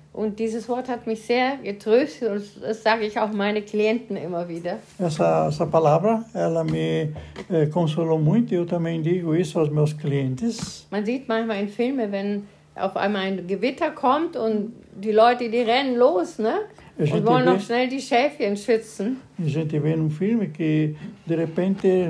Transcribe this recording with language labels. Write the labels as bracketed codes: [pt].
[de] Und dieses Wort hat mich sehr getröstet und das sage ich auch meinen Klienten immer wieder. [pt] Essa palavra, ela me consolou muito, eu também digo isso aos meus clientes. [de] Man sieht manchmal in Filmen, wenn auf einmal ein Gewitter kommt und die Leute, die rennen los, ne? Und wollen noch schnell die Schäfchen schützen. [pt] A gente vê num filme que, de repente,